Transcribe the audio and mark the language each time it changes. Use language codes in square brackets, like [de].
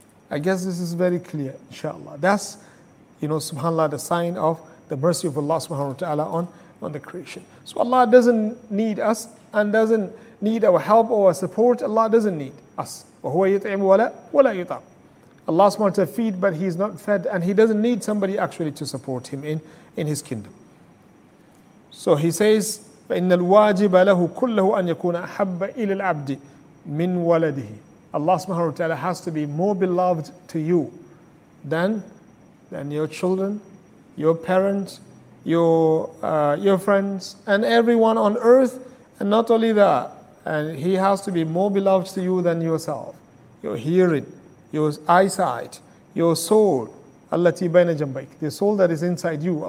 [en] I guess this is very clear, inshallah. That's, you know, subhanAllah, the sign of the mercy of Allah subhanahu wa ta'ala on the creation. So Allah doesn't need us and doesn't need our help or our support. Allah doesn't need us. [ar] وَهُوَ يَطْعِمُ وَلَا يُطْعَمُ. [en] Allah subhanahu wa ta'ala feed, but He is not fed, and He doesn't need somebody actually to support Him in His kingdom. So He says, [ar] فَإِنَّ الْوَاجِبَ لَهُ كُلَّهُ أَنْ يَكُونَ أَحَبَّ إِلَى الْعَبْدِ مِنْ وَلَدِهِ. [en] Allah subhanahu wa ta'ala has to be more beloved to you than your children, your parents, your friends, and everyone on earth. And not only that, and He has to be more beloved to you than yourself, your hearing, your eyesight, your soul, [ar] allati bayna jambayk, [en] the soul that is inside you.